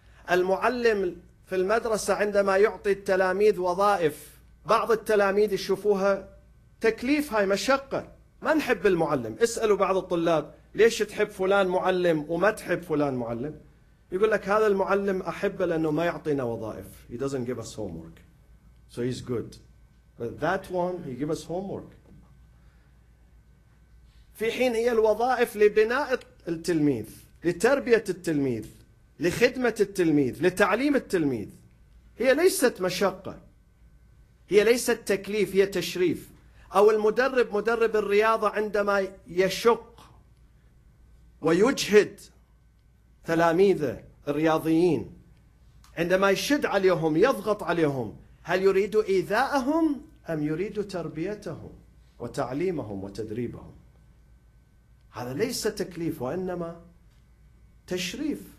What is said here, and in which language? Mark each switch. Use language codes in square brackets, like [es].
[ar] المعلم في المدرسة عندما يعطي التلاميذ وظائف، بعض التلاميذ يشوفوها تكليف، هاي مشقة، ما نحب المعلم. اسألوا بعض الطلاب ليش تحب فلان معلم وما تحب فلان معلم، يقول لك هذا المعلم أحبه لأنه ما يعطينا وظائف. [en] He doesn't give us homework, so he's good. But that one, he gives us homework. [ar] في حين هي الوظائف لبناء التلميذ، لتربية التلميذ، لخدمة التلميذ، لتعليم التلميذ. هي ليست مشقة، هي ليست تكليف، هي تشريف. أو المدرب، مدرب الرياضة عندما يشق ويجهد تلاميذه الرياضيين، عندما يشد عليهم، يضغط عليهم، هل يريد إيذاءهم أم يريد تربيتهم وتعليمهم وتدريبهم؟ هذا ليس تكليف وإنما تشريف.